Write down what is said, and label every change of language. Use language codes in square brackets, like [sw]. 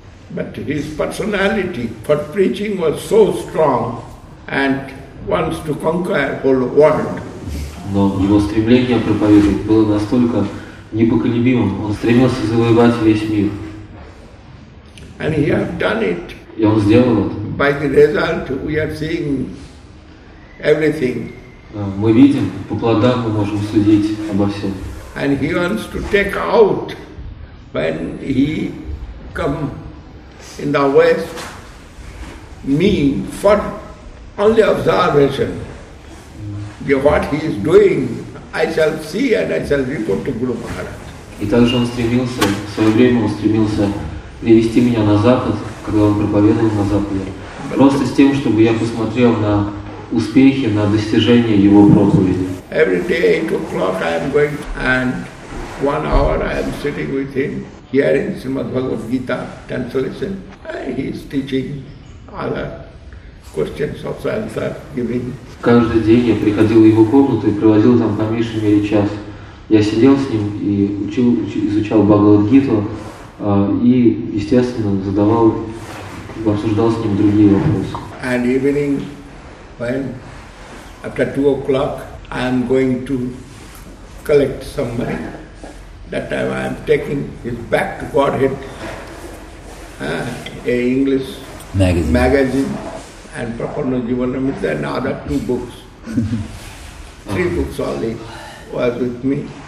[en] But his personality for preaching was so strong and wants to conquer whole world. [ru] Но его стремление проповедовать было настолько непоколебимым. Он стремился завоевать весь мир. [en] And he have done it. [ru] И он сделал это. [en] By the result we are seeing everything. [ru] Мы видим, по плодам мы можем судить обо всем. [en] And he wants to take out when he come in the west me for only observation. What he is doing, I shall see and I shall report to Guru Maharaj. [ru] И также он стремился, в свое время он стремился привести меня на запад, когда он проповедовал на западе, просто с тем, чтобы я посмотрел на успехи, на достижения его проповеди. [en] Every day, 2 o'clock, I am going, and 1 hour I am sitting with him, hearing Srimad Bhagavad Gita translation, and he is teaching other questions of answer giving. [ru] Каждый день я приходил в его комнату и проводил там по меньшей мере час. Я сидел с ним и изучал Бхагавад-гиту, и, естественно, задавал, обсуждал с ним другие вопросы. [en] And evening, when after 2 o'clock, I am going to collect some money. That time I am taking his back to Godhead, a English magazine, and Prapanna Jivanamrita and other 2 books, 3 books only was with me.